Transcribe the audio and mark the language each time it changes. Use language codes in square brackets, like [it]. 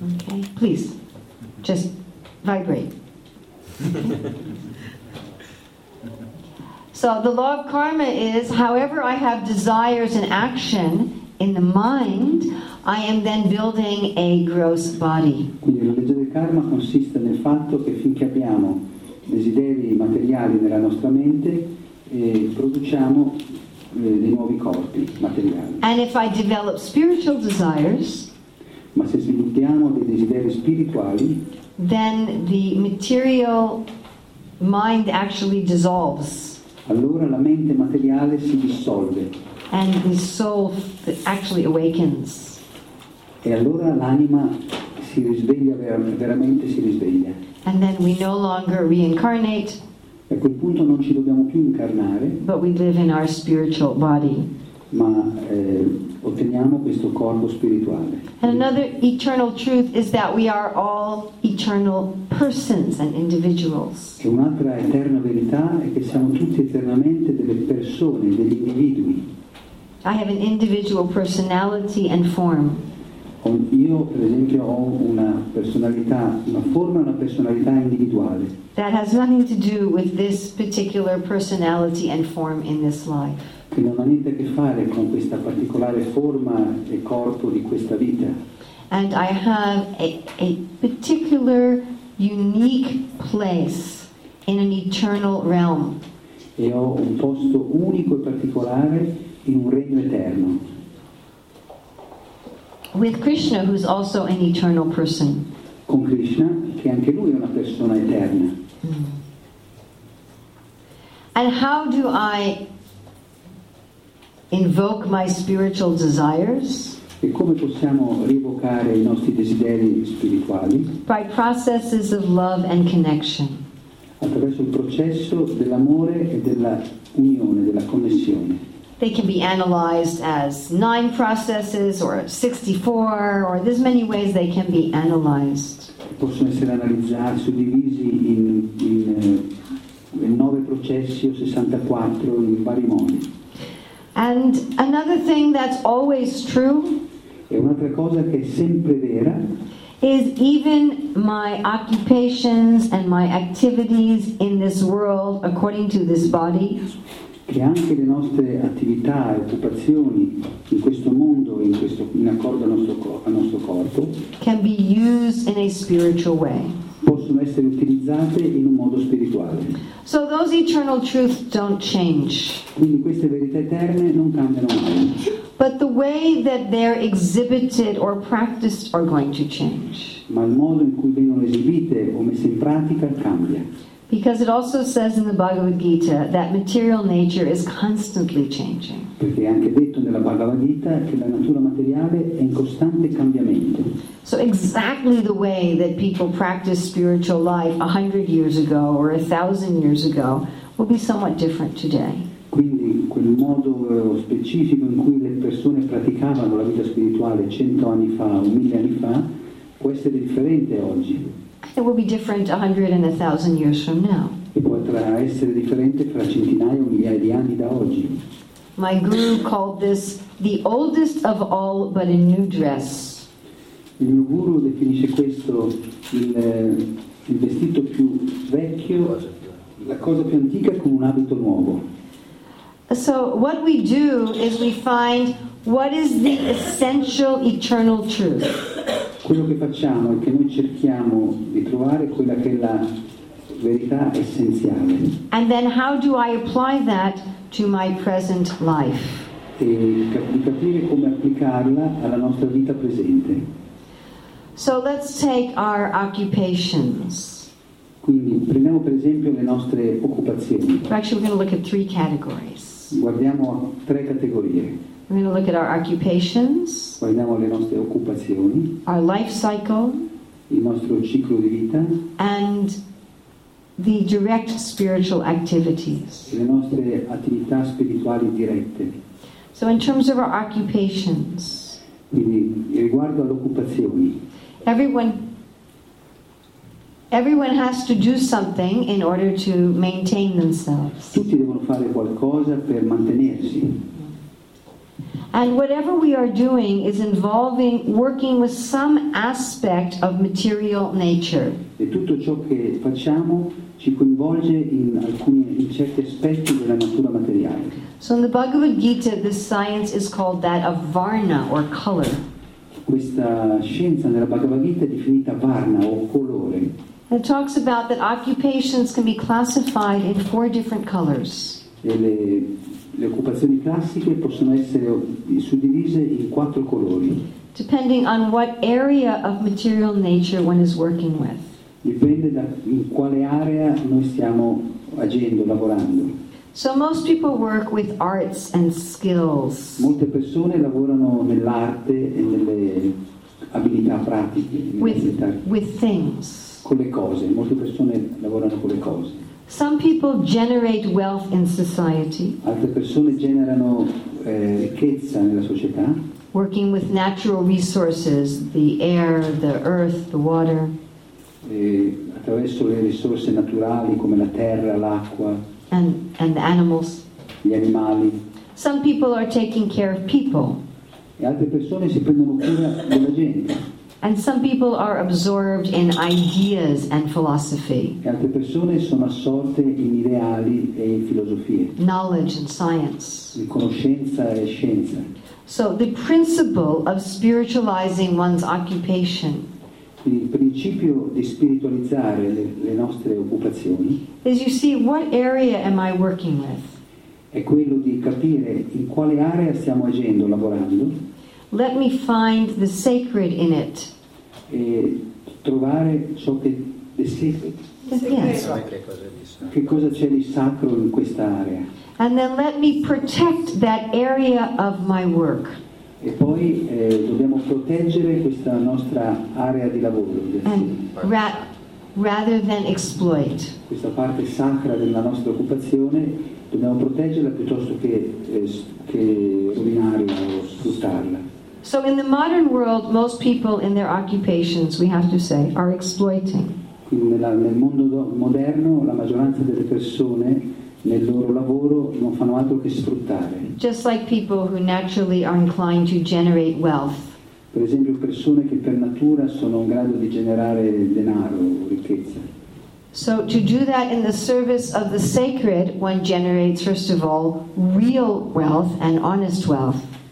[en] Okay, please. Just vibrate. So the law of karma is, however I have desires and action in the mind, I am then building a gross body. [it] Quindi la legge del karma consiste nel fatto che finché abbiamo desideri materiali nella nostra mente, produciamo dei nuovi corpi materiali. [en] And if I develop spiritual desires, [it] ma se sviluppiamo dei desideri spirituali, [en] then the material mind actually dissolves. [it] Allora la mente materiale si dissolve. [en] And the soul actually awakens. [it] E allora l'anima si risveglia, veramente si risveglia. [en] And then we no longer reincarnate. [it] E a quel punto non ci dobbiamo più incarnare. [en] But we live in our spiritual body. [it] Ma otteniamo questo corpo spirituale. [en] And another eternal truth is that we are all eternal persons and individuals. [it] E un'altra eterna verità è che siamo tutti eternamente delle persone, degli individui. [en] I have an individual personality and form. [it] Io, per esempio, ho una personalità, una forma e una personalità individuale. [en] That has nothing to do with this particular personality and form in this life. [it] Che non ha niente a che fare con questa particolare forma e corpo di questa vita. [en] And I have a particular, unique place in an eternal realm. [it] E ho un posto unico e particolare in un regno eterno. [en] With Krishna, who's also an eternal person. [it] Con Krishna, che anche lui è una persona eterna. [en] And how do I invoke my spiritual desires? [it] E come possiamo rievocare i nostri desideri spirituali? [en] By processes of love and connection. [it] Attraverso il processo dell'amore e della unione, della connessione. [en] They can be analyzed as 9 processes or 64 or there's many ways they can be analyzed. [it] Possono essere analizzati, suddivisi in 9 processi o 64 in vari modi. [en] And another thing that's always true, [it] e un'altra cosa che è sempre vera, [en] is even my occupations and my activities in this world according to this body, [it] che anche le nostre attività e occupazioni in questo mondo, in accordo al nostro corpo, [en] can be used in a spiritual way. [it] possono essere utilizzate in un modo spirituale. [en] So those eternal truths don't change. [it] Quindi queste verità eterne non cambiano mai. [en] But the way that they're exhibited or practiced are going to change. [it] Ma il modo in cui vengono esibite o messe in pratica cambia. [en] Because it also says in the Bhagavad Gita that material nature is constantly changing. [it] Perché è anche detto nella Bhagavad Gita che la natura materiale è in costante cambiamento. [en] So exactly the way that people practiced spiritual life 100 years ago or 1,000 years ago will be somewhat different today. [it] Quindi quel modo specifico in cui le persone praticavano la vita spirituale 100 anni fa o 1,000 anni fa può essere differente oggi. [en] It will be different 100 and 1,000 years from now. [it] E potrà essere differente fra centinaia o migliaia di anni da oggi. [en] My guru called this the oldest of all but a new dress. [it] Il mio guru definisce questo il vestito più vecchio, la cosa più antica con un abito nuovo. [en] So what we do is we find what is the essential eternal truth. [it] Quello che facciamo è che noi cerchiamo di trovare quella che è la verità essenziale. [en] And then how do I apply that to my present life? [it] E capire come applicarla alla nostra vita presente. [en] So let's take our occupations. [it] Quindi prendiamo per esempio le nostre occupazioni. [en] Actually, we're going to look at 3 categories. [it] Guardiamo 3 categorie. [en] We're going to look at our occupations. [it] Guardiamo le nostre occupazioni. [en] Our life cycle. [it] Il nostro ciclo di vita. [en] And the direct spiritual activities. [it] Le nostre attività spirituali dirette. [en] So in terms of our occupations. [it] Quindi riguardo alle occupazioni. [en] Everyone has to do something in order to maintain themselves. [it] Tutti devono fare qualcosa per mantenersi. [en] And whatever we are doing is involving working with some aspect of material nature. [it] E tutto ciò che facciamo ci coinvolge in certi aspetti della natura materiale. [en] So in the Bhagavad Gita, this science is called that of varna or color. [it] Questa scienza nella Bhagavad Gita è definita varna o colore. [en] It talks about that occupations can be classified in 4 different colors. [it] Le occupazioni classiche possono essere suddivise in 4 colori. [en] Depending on what area of material nature one is working with. [it] Dipende da in quale area noi stiamo agendo, lavorando. [en] So most people work with arts and skills. [it] Molte persone lavorano nell'arte e nelle abilità pratiche. [en] With things. [it] Con le cose. Molte persone lavorano con le cose. [en] Some people generate wealth in society. [it] Altre persone generano ricchezza nella società. [en] Working with natural resources, the air, the earth, the water. [it] E attraverso le risorse naturali come la terra, l'acqua. [en] And the animals. [it] Gli animali. [en] Some people are taking care of people. [it] E altre persone si prendono cura della gente. [en] And some people are absorbed in ideas and philosophy. [it] E altre persone sono assorte in ideali e in filosofie. [en] Knowledge and science. [it] In conoscenza e scienza. [en] So the principle of spiritualizing one's occupation. [it] Il principio di spiritualizzare le nostre occupazioni. [en] Is you see what area am I working with? [it] È quello di capire in quale area stiamo agendo, lavorando. [en] Let me find the sacred in it. [it] E trovare ciò che è sacred. Che cosa c'è di sacro in questa area? [en] And then let me protect that area of my work. [it] E poi dobbiamo proteggere questa nostra area di lavoro. [en] Rather than exploit. [it] Questa parte sacra della nostra occupazione dobbiamo proteggerla piuttosto che rovinarla o sfruttarla. [en] So in the modern world, most people in their occupations, we have to say, are exploiting. [it] Nel mondo moderno, la maggioranza delle persone nel loro lavoro non fanno altro che sfruttare. [en] Just like people who naturally are inclined to generate wealth. [it] Per esempio, persone che per natura sono in grado di generare denaro, ricchezza. [en] So to do that in the service of the sacred, one generates first of all real wealth and honest wealth.